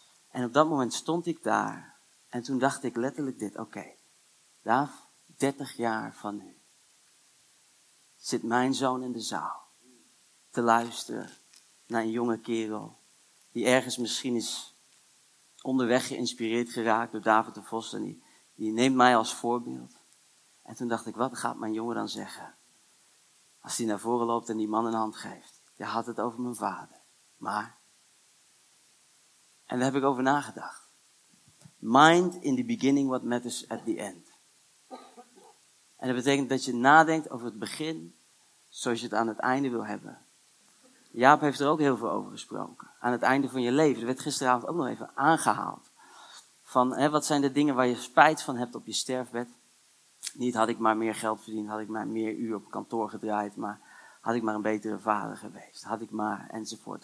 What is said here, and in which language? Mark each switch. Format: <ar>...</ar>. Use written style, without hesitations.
<nl>En op dat moment stond ik daar en toen dacht ik letterlijk dit, oké, Daaf, 30 jaar van nu zit mijn zoon in de zaal te luisteren naar een jonge kerel die ergens misschien is onderweg geïnspireerd geraakt door David de Vos en die neemt mij als voorbeeld. En toen dacht ik, wat gaat mijn jongen dan zeggen? Als hij naar voren loopt en die man een hand geeft. Je had het over mijn vader. Maar, en daar heb ik over nagedacht.</nl> <en>Mind in the beginning what matters at the end.</en> <nl>En dat betekent dat je nadenkt over het begin, zoals je het aan het einde wil hebben. Jaap heeft er ook heel veel over gesproken. Aan het einde van je leven. Er werd gisteravond ook nog even aangehaald. Van, hè, wat zijn de dingen waar je spijt van hebt op je sterfbed? Niet had ik maar meer geld verdiend, had ik maar meer uur op kantoor gedraaid, maar had ik maar een betere vader geweest, had ik maar, enzovoort.</nl>